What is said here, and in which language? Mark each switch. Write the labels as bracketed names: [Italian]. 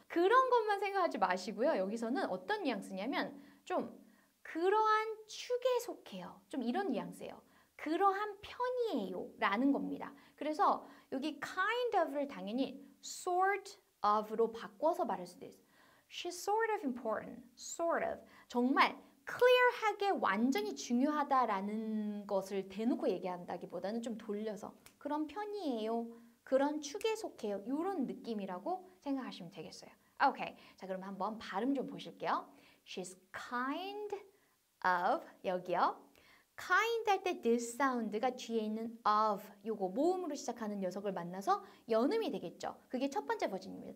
[Korean] 그런 것만 생각하지 마시고요. 여기서는 어떤 뉘앙스냐면 좀 그러한 축에 속해요. 좀 이런 뉘앙스예요. 그러한 편이에요 라는 겁니다. 그래서 여기 kind of를 당연히 sort of로 바꿔서 말할 수도 있어요. [English] She's sort of important, sort of. [Korean] 정말 clear하게 완전히 중요하다라는 것을 대놓고 얘기한다기보다는 좀 돌려서 그런 편이에요, 그런 축에 속해요 이런 느낌이라고 생각하시면 되겠어요. Okay, 자 그럼 한번 발음 좀 보실게요. [English] She's kind of, [Korean] 여기요. Kind 할 때 this sound가 뒤에 있는 of 요거 모음으로 시작하는 녀석을 만나서 연음이 되겠죠. 그게 첫 번째 버전입니다.